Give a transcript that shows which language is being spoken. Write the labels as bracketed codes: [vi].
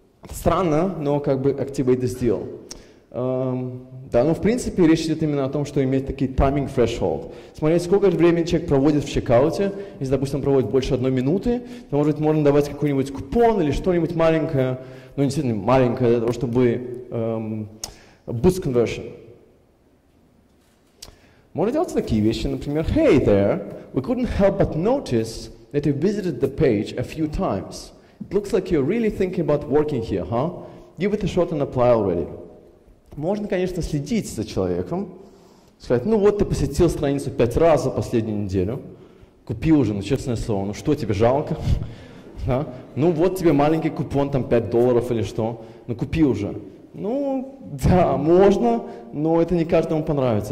[ru] Странно, но как бы [en] activate this deal. [ru] Да, но в принципе речь идет именно о том, что иметь такие timing threshold. Смотреть, сколько времени человек проводит в чекауте. Если, допустим, он проводит больше 1 минуты, то, может быть, можно давать какой-нибудь купон или что-нибудь маленькое, ну, действительно маленькое, для того, чтобы boost conversion. Можно делать такие вещи, например, [en] hey there, we couldn't help but notice that you visited the page a few times. It looks like you're really thinking about working here, huh? Give it a shot and apply already. [ru] Можно, конечно, следить за человеком, сказать, ну вот ты посетил страницу 5 раз за последнюю неделю, купил уже, ну честное слово, ну что, тебе жалко? Да? Ну вот тебе маленький купон, там $5 или что, ну купи уже. Ну, да, можно, но это не каждому понравится.